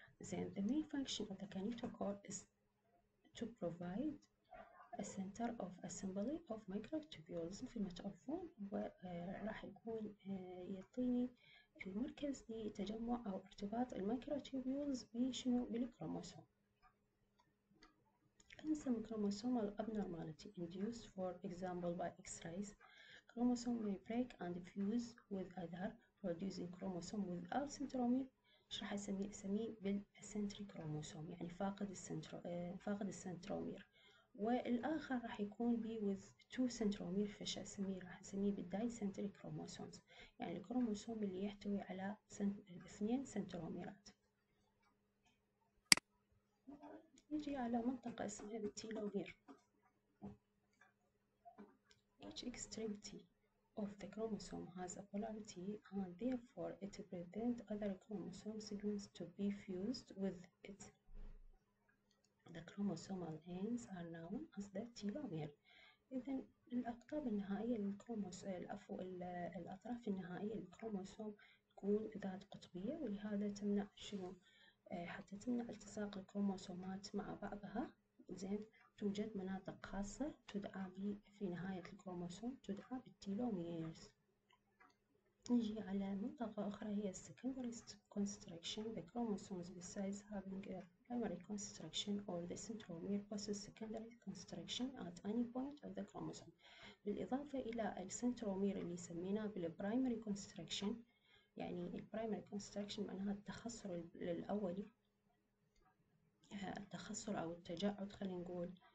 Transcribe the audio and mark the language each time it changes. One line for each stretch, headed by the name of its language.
English: Then the main function of the kinetochore is to provide a center of assembly of microtubules
Arabic: في المتعفون، وراح يكون يعطيني المركز لتجمع أو ارتباط الميكروتوبيولز بشنو بالكروموسوم.
English: And some chromosomal abnormality induced, for example, by X-rays. Chromosome may break and fuse with other producing chromosome without centromere.
Arabic: شرح أسميه بالسنتري كروموسوم، يعني فاقد السنترومير، والآخر راح يكون بي
English: with two
Arabic: سنترومير، فش أسميه راح أسميه بالداي سنتري كروموسومز، يعني الكروموسوم اللي يحتوي على اثنين سنتروميرات. نجي على منطقة اسمها التيلومير.
English: Each extremity of the chromosome has a polarity and therefore it prevents other chromosome segments to be fused with it. The chromosomal ends are known as the telomere.
Arabic: إذن الأقطاب النهائية للكروموسوم، العفو الأطراف النهائية للكروموسوم تكون ذات قطبية، ولهذا تمنع شنو حتى تمنع التصاق الكروموسومات مع بعضها. زين توجد مناطق خاصة تدعى في نهاية الكروموسوم تدعى بالتيلوميرز. نجي على منطقة أخرى هي secondary constriction.
English: The chromosomes besides having a primary constriction or the centromere possess secondary constriction at any point of the chromosome.
Arabic: بالإضافة إلى السنترومير اللي سميناه بالprimary constriction، يعني primary constriction معناها التخصر الأولي، التخصر أو التجعد خلينا نقول.